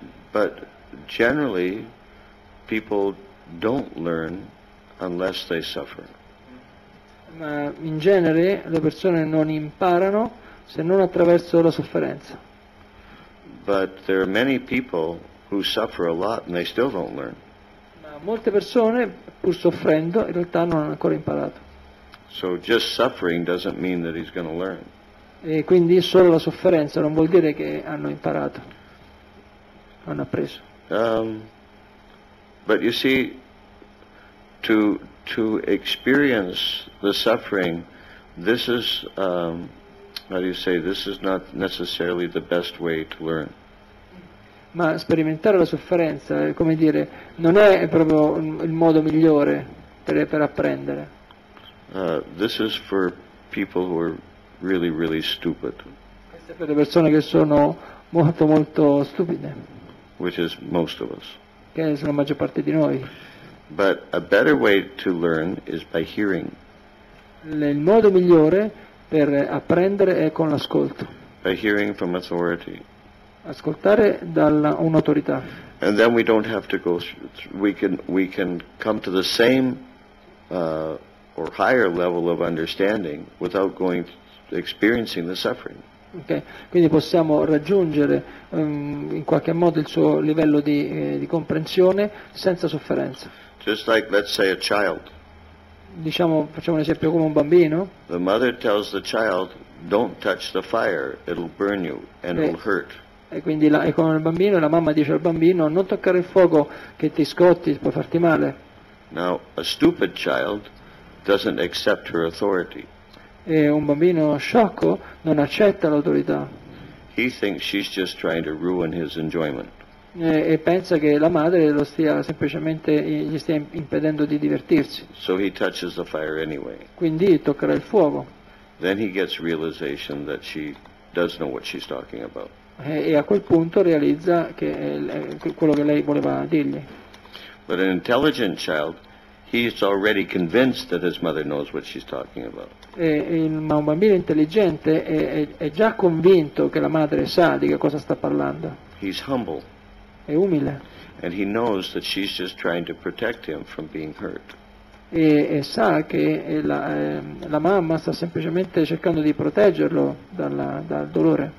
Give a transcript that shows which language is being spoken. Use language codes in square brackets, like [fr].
[en] But generally, people don't learn unless they suffer. [it] Ma in genere le persone non imparano se non attraverso la sofferenza. [en] But there are many people who suffer a lot and they still don't learn. [it] Molte persone, pur soffrendo, in realtà non hanno ancora imparato. [en] So just suffering doesn't mean that he's going to learn. [it] E quindi solo la sofferenza non vuol dire che hanno imparato, hanno appreso. [en] But you see, to experience the suffering, this is how do you say? This is not necessarily the best way to learn. [it] Ma sperimentare la sofferenza, come dire, non è proprio il modo migliore per apprendere. [en] This is for people who are really, really stupid. [it] Questo è per le persone che sono molto, molto stupide. [en] Which is most of us. [it] Che sono la maggior parte di noi. [en] But a better way to learn is by hearing. [it] Il modo migliore per apprendere è con l'ascolto. [en] By hearing from authority. [it] Ascoltare da un'autorità. [en] And then we don't have to go through, we can come to the same or higher level of understanding without going to experiencing the suffering. Okay. [it] Quindi possiamo raggiungere in qualche modo il suo livello di comprensione senza sofferenza. [en] Just like, let's say, a child. [it] Diciamo, facciamo un esempio come un bambino. [en] The mother tells the child, don't touch the fire, it'll burn you and okay. It'll hurt. [it] E quindi è come il bambino e la mamma dice al bambino non toccare il fuoco che ti scotti, può farti male. [en] Now, a stupid child doesn't accept her authority. [it] E un bambino sciocco non accetta l'autorità. [en] He thinks she's just trying to ruin his enjoyment. [it] E pensa che la madre lo stia semplicemente gli stia impedendo di divertirsi. [en] So he touches the fire anyway. [it] Quindi toccherà il fuoco. [en] Then he gets realization that she does know what she's talking about. [it] E a quel punto realizza che quello che lei voleva dirgli. [en] But an intelligent child, he's already convinced that his mother knows what she's talking about. [it] Ma un bambino intelligente è già convinto che la madre sa di che cosa sta parlando. [en] He's humble. [it] È umile. [en] And he knows that she's just trying to protect him from being hurt. [it] E sa che la mamma sta semplicemente cercando di proteggerlo dal dolore.